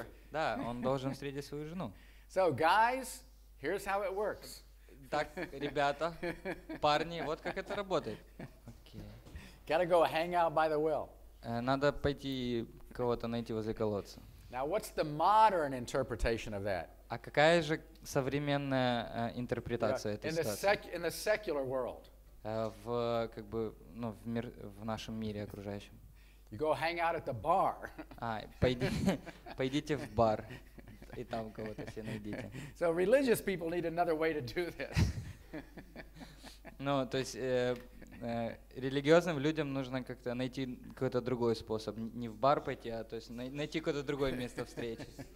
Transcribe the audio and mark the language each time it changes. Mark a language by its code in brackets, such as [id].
[ru] Да, он должен встретить свою жену. [en] So, guys, here's how it works. [ru] Так, ребята, парни, вот как это работает. [en] Okay. Gotta go hang out by the well. [ru] Надо пойти кого-то найти возле колодца. [en] Now, what's the modern interpretation of that? [ru] А какая же современная интерпретация этой ситуации? [en] In the secular world. [ru] В, как бы, ну, в, мир, в нашем мире окружающем. [en] You go hang out at the bar. [ru] А, пойдите в бар и там кого-то себе найдите. [en] So religious people need another way to do this. [ru] Ну, то есть религиозным людям нужно как-то найти какой-то другой способ. Не в бар пойти, а то есть найти какое-то другое место встречи.